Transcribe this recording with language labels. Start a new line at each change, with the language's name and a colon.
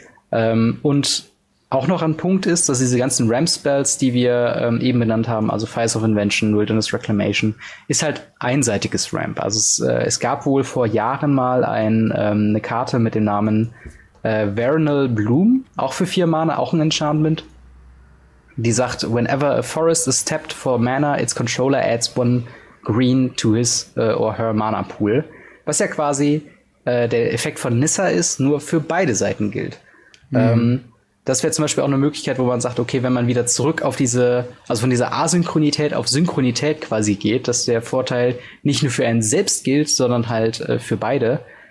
German: Und auch noch ein Punkt ist, dass diese ganzen Ramp-Spells, die wir eben benannt haben, also Fires of Invention, Wilderness Reclamation, ist halt einseitiges Ramp. Also es gab wohl vor Jahren mal eine Karte mit dem Namen Vernal Bloom, auch für 4 Mana, auch ein Enchantment. Die sagt,
English: whenever a forest is tapped for mana, its controller adds 1 green to his or her mana pool.
German: Was ja quasi der Effekt von Nissa ist, nur für beide Seiten gilt. Mhm. Das wäre zum Beispiel auch eine Möglichkeit, wo man sagt, okay, wenn man wieder zurück auf diese, also von dieser Asynchronität auf Synchronität quasi geht, dass der Vorteil nicht nur für einen selbst gilt, sondern halt für beide.